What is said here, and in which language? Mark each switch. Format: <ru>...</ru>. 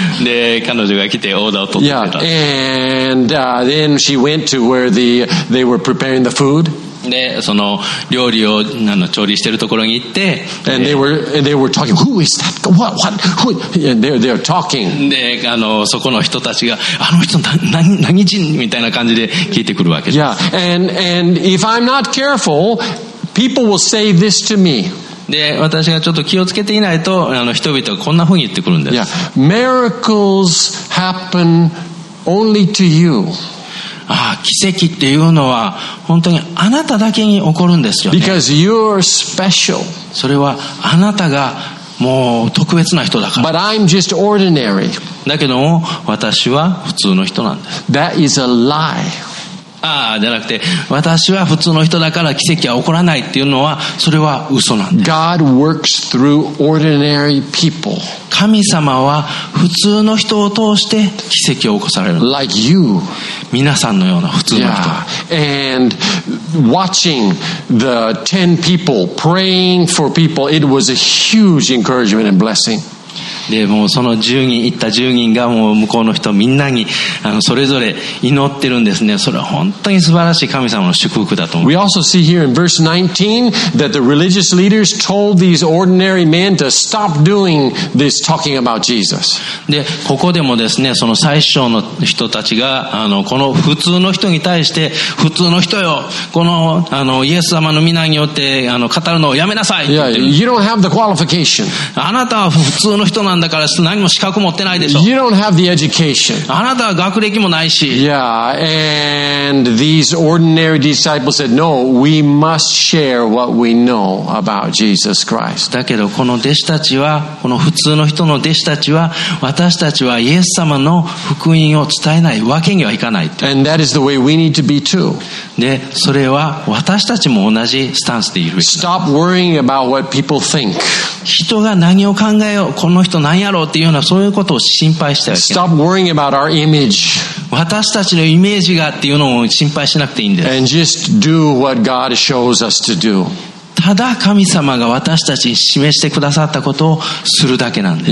<ja>で、彼女が来てオーダーを取ってくれた。</ja> <en>And then she went to where they were preparing the food.</en> <ja>で、その料理を調理しているところに行って、</ja> <en>and they were talking, who is that? What? Who? They're talking.</en> <ja>で、そこの人たちが、あの人何人みたいな感じで聞いてくるわけです。</ja> <en>Yeah, and if I'm not careful, people will say this to me.</en> <ja>で、私がちょっと気をつけていないと、人々がこんな風に言ってくるんです。</ja> <en>Yeah, miracles happen only to you.</en> <ja>奇跡っていうのは本当にあなただけに起こるんですよね。</ja> <en>Because you're special.</en> <ja>それはあなたがもう特別な人だから。</ja> <en>But I'm just ordinary.</en> <ja>だけど私は普通の人なんです。</ja> <en>That is a lie.</en> <ja>じゃなくて私は普通の人だから奇跡は起こらないっていうのはそれは嘘なんです。</ja> <en>God works through ordinary people.</en> <ja>神様は普通の人を通して奇跡を起こされる。</ja> <en>Like you.</en> <ja>皆さんのような普通の人。</ja> <en>Yeah. And watching the 10 people praying for people, it was a huge encouragement and blessing.</en> <ja>でもうその10人行った10人がもう向こうの人みんなにそれぞれ祈ってるんですね。それは本当に素晴らしい神様の祝福だと思う。</ja> <en>We also see here in verse 19 that the religious leaders told these ordinary men to stop doing this talking about Jesus.</en> <ja>でここでもですね、その最初の人たちがこの普通の人に対して、普通の人よ、このイエス様の皆によって語るのをやめなさい。</ja> <en>Yeah, you don't have the qualification.</en> <ja>あなたは普通の人なんだから何も資格持ってないでしょ。</ja> <en>You don't have the education.</en> <ja>あなたは学歴もないし。</ja> <en>Yeah, and these ordinary disciples said, no, we must share what we know about Jesus Christ.</en> <ja>だけどこの弟子たちは、この普通の人の弟子たちは、私たちはイエス様の福音を伝えないわけにはいかないって。</ja> <en>And that is the way we need to be too.</en> <ja>で、それは私たちも同じスタンスでいる。</ja> <en>Stop worrying about what people think.</en> <ja>人が何を考えよう、この人何やろうっていうような、そういうことを心配したわけ。</ja> <en>Stop worrying about our image.</en> <ja>私たちのイメージがっていうのを心配しなくていいんです。</ja> <en>And just do what God shows us to do.</en> <ja>ただ神様が私たちに示してくださったことをするだけなんです。</ja>